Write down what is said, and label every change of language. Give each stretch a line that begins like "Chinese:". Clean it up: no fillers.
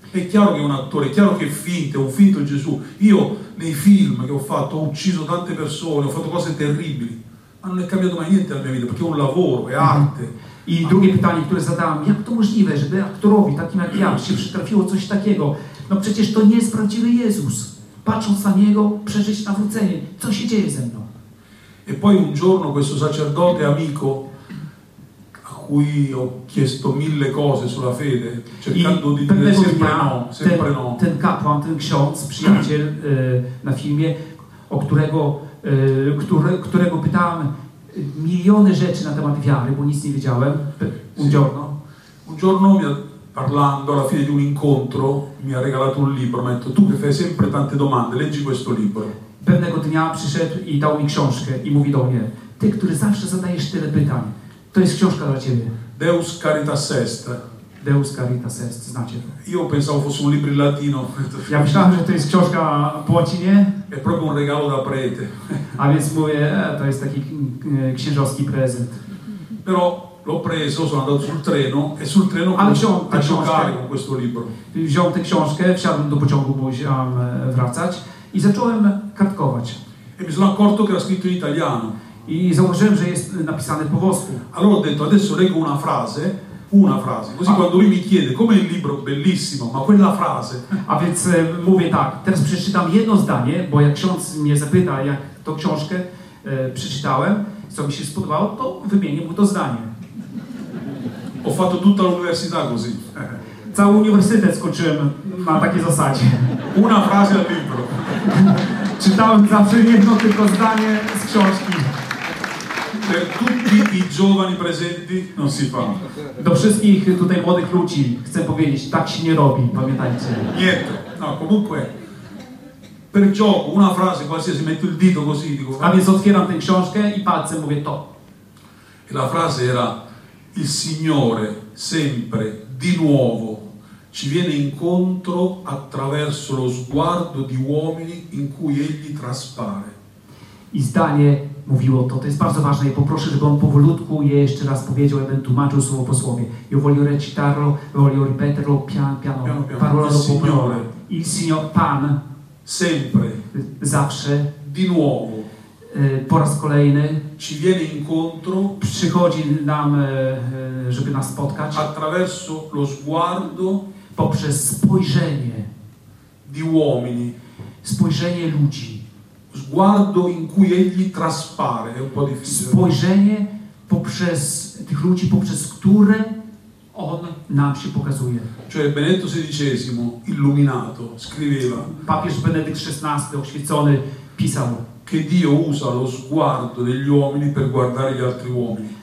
Italian: È chiaro che è un attore, è chiaro che è un finto Gesù. Io nei film che ho fatto ho ucciso tante persone, ho fatto cose terribili, ma non è cambiato mai niente nella mia vita, perché è un lavoro, è arte.
Polish: I drugie pytanie, które zadałem, jak to możliwe, żeby aktorowi takim jak ja się przytrafiło coś takiego? No przecież to nie jest prawdziwy Jezus. Patrząc na Niego, przeżyć nawrócenie. Co się dzieje ze mną?
Italian: E poi un giorno questo sacerdote amico, cui ho chiesto mille cose sulla fede, cercando
Polish: I
Italian: di dire sempre
Polish: dnia,
Italian: no, sempre
Polish: ten, no. Ten kapłan, ten ksiądz, przyjaciel na filmie, o którego, którego pytałem miliony rzeczy na temat wiary, bo nic nie wiedziałem,
Italian: un giorno. Sì. Un giorno, parlando alla fine di un incontro, mi ha regalato un libro, mi ha detto, tu che fai sempre tante domande, leggi questo libro.
Polish: Pewnego dnia przyszedł i dał mi książkę i mówi do mnie, ty, który zawsze zadajesz tyle pytań, to jest książka dla ciebie.
Latin: Deus Caritas Est.
Polish: Deus Caritas Est, znacie to.
Italian: Io pensavo fosse un libro in latino.
Polish: Ja myślałem, że to jest książka po łacinie.
Italian: È proprio un regalo da prete.
Polish: A więc mówię, to jest taki księżowski prezent.
Italian: Però l'ho preso, sono andato sul treno e sul treno faccio carico questo libro.
Polish: Wziąłem tę książkę, wsiadłem do pociągu, bo musiałem wracać i zacząłem kartkować.
Italian: E mi sono accorto che era scritto in italiano.
Polish: I zauważyłem, że jest napisane po włosku.
Italian: Allora ho detto, adesso leggo una frase, così quando lui mi chiede, come il libro bellissimo, ma quella frase.
Polish: A więc mówię tak, teraz przeczytam jedno zdanie, bo jak ksiądz mnie zapyta, jak tą książkę przeczytałem, co mi się spodobało, to wymienię mu to zdanie.
Italian: Ho fatto tutta l'università così.
Polish: Cały uniwersytet skończyłem na takiej zasadzie.
Italian: Una frase al libro.
Polish: Czytałem zawsze jedno tylko zdanie z książki.
Italian: Per tutti i giovani presenti non si fa.
Polish: Do wszystkich tutaj młodych ludzi chcę powiedzieć, tak się nie robi, pamiętajcie.
Italian: Niente, no comunque, per gioco, una frase qualsiasi, metto il dito così, dico...
Polish: A więc otwieram tę książkę i palcem mówię to.
Italian: E la frase era, il Signore sempre, di nuovo, ci viene incontro attraverso lo sguardo di uomini in cui Egli traspare.
Polish: I zdanie mówiło to. To jest bardzo ważne. I poproszę, żeby on powolutku je jeszcze raz powiedział. Ja będę tłumaczył słowo po słowie.
Italian: Io voglio recitarlo, voglio ripeterlo piano. Parola dopo. Signore. Il Signore,
Polish: Pan.
Italian: Sempre.
Polish: Zawsze.
Italian: Di nuovo.
Polish: Po raz kolejny.
Italian: Ci viene incontro.
Polish: Przychodzi nam, żeby nas spotkać.
Italian: Attraverso lo sguardo.
Polish: Poprzez spojrzenie.
Italian: Di uomini.
Polish: Spojrzenie ludzi.
Italian: Sguardo in cui egli traspare, è un po' difficile.
Polish: Spojrzenie poprzez tych ludzi, poprzez które on nam się pokazuje.
Italian: Cioè Benedetto XVI, illuminato, scriveva.
Polish: Papież Benedykt XVI, oświecony, pisał.
Italian: Che Dio usa lo sguardo degli uomini per guardare gli altri uomini.